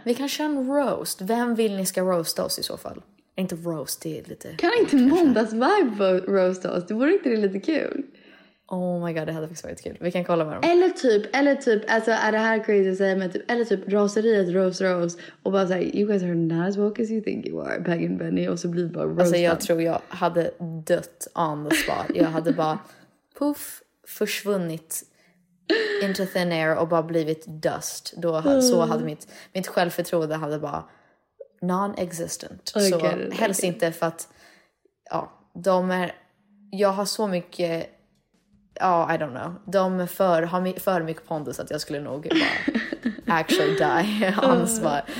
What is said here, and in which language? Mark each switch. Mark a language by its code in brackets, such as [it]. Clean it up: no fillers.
[sv] Vi kan köra en roast, vem vill ni ska roasta oss i så fall? Inte roast, det är lite... Kan inte Måndags vibe roast oss? Det vore inte det lite kul? Oh my god, det hade faktiskt varit kul. Vi kan kolla med dem. Eller typ, alltså är det här crazy att säga, men typ, eller typ raseriet roast. [en] Och bara såhär, you guys are not as woke as you think you are, Peg and Benny. [sv] Och så blir bara roast. Alltså jag tror jag hade dött [en] on the spot. [sv] Jag hade bara, poof, försvunnit [en] into thin air [sv] och bara blivit dust. Då så hade mitt självförtroende hade bara... non-existent. Helst inte, för att jag har så mycket [en] I don't know, [sv] de har för mycket pondus att jag skulle nog bara [en] actually die [sv] ansvar.